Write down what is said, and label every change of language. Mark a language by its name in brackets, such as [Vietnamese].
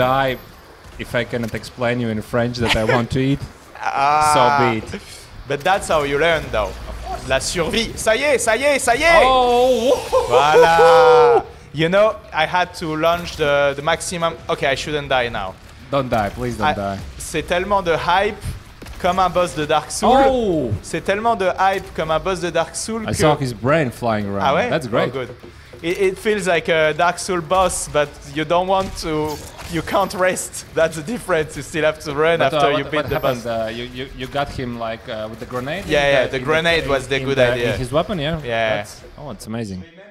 [English] I die, if I cannot explain you in French that I want to eat, ah, so be it. But that's how you learn though. [French] La survie. Ça y est, ça y est, ça y est. Oh. Voilà. [English] You know, I had to launch the maximum. Okay, I shouldn't die now. Don't die, please don't die. [French] C'est tellement de hype comme un boss de Dark Souls. Oh. C'est tellement de hype comme un boss de Dark Souls. [English] I saw his brain flying around. [French] Ah ouais? [English] That's great. Oh, good. It feels like a Dark Souls boss, but you don't want to. You can't rest. That's the difference. You still have to run but, after you beat the boss. You got him like with the grenade. Yeah, yeah. The grenade was the good idea. In his weapon, yeah. Yeah. It's amazing.